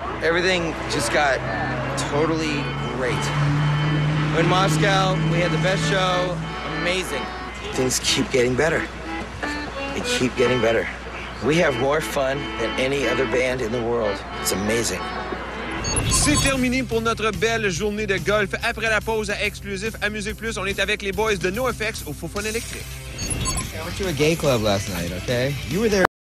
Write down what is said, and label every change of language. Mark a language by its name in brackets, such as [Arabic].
[English] Everything just got totally great. In Moscow, we had the best show. Amazing. Things keep getting better. They keep getting better. We have more fun than any other band in the world. It's amazing. [French] C'est terminé pour notre belle journée de golf. Après la pause exclusive à MusiquePlus, on est avec les boys de NOFX au Foufoune Électrique. [English] I went to a gay club last night, okay? You were there.